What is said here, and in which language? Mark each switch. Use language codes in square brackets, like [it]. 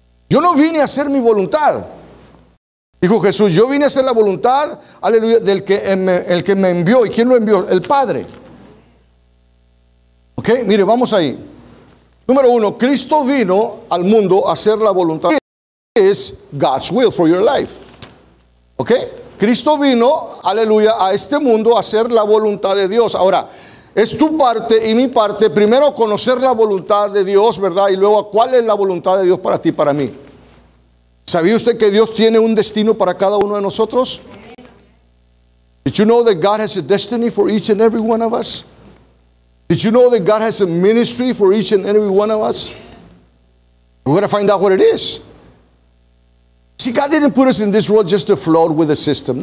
[es] Yo no vine a hacer mi voluntad. Dijo Jesús, yo vine a hacer la voluntad, aleluya, del que me, el que me envió. ¿Y quién lo envió? El Padre. Ok, mire, vamos ahí. Número uno, Cristo vino al mundo a hacer la voluntad. Es [en] God's will for your life. [es] Ok, Cristo vino, aleluya, a este mundo a hacer la voluntad de Dios. Ahora, es tu parte y mi parte, primero conocer la voluntad de Dios, ¿verdad? Y luego, ¿cuál es la voluntad de Dios para ti, para mí? ¿Sabía usted que Dios tiene un destino para cada uno de nosotros? [en] Did you know that God has a destiny for each and every one of us? Did you know that God has a ministry for each and every one of us? We're going to find out what it is. See, God didn't put us in this world just to float with the system.